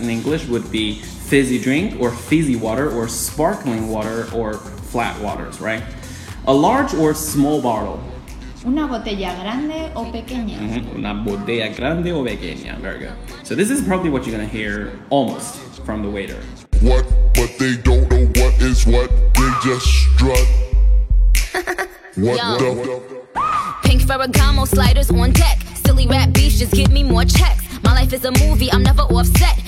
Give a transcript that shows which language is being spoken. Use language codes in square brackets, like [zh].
[en] In English would be fizzy drink or fizzy water or sparkling water or flat waters, right? A large or small bottle? [es] Una botella grande o pequeña. Mm-hmm. Una botella grande o pequeña. [en] Very good. So this is probably what you're going to hear almost from the waiter. What, but they don't know what is what, they just strut. What the? Pink Ferragamo sliders on deck. Silly rap beats, just give me more checks. My life is a movie, I'm never offset.